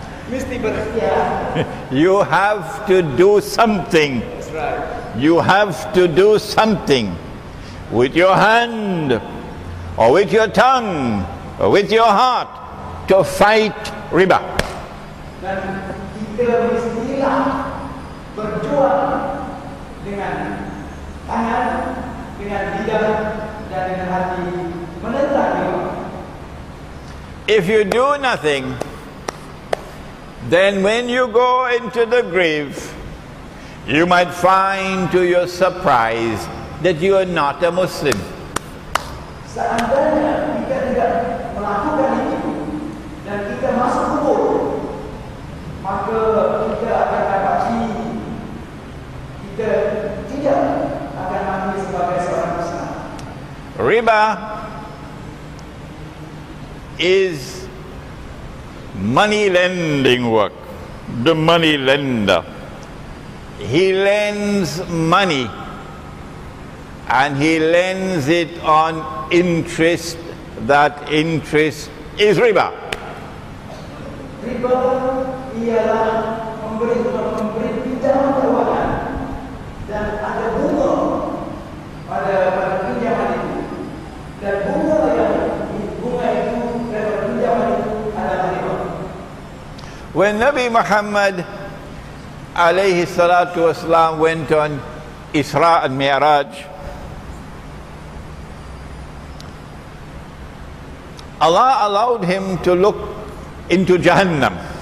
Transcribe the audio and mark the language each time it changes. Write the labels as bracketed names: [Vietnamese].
[Malay] Mesti bersedia. [English] You have to do something. You have to do something with your hand or with your tongue or with your heart to fight riba. [Malay] Dan kita mestilah berjuang dengan tangan, dengan lidah dan dengan hati menentang riba. [English] If you do nothing, then when you go into the grave, you might find to your surprise that you are not a Muslim. [Malay] Seandainya kita tidak melakukan itu dan kita masuk kubur, maka kita akan dapati kita tidak akan mati sebagai seorang Muslim. [English] Riba is money lending work. The money lender, he lends money and he lends it on interest. That interest is riba. [Malay] Riba ialah memberi pinjaman kewangan dan ada bunga pada pinjaman itu. Dan bunga itu dan pinjaman itu adalah riba. [English] When Nabi Muhammad alayhi salatu wasalam went on Isra and Mi'raj, Allah allowed him to look into Jahannam.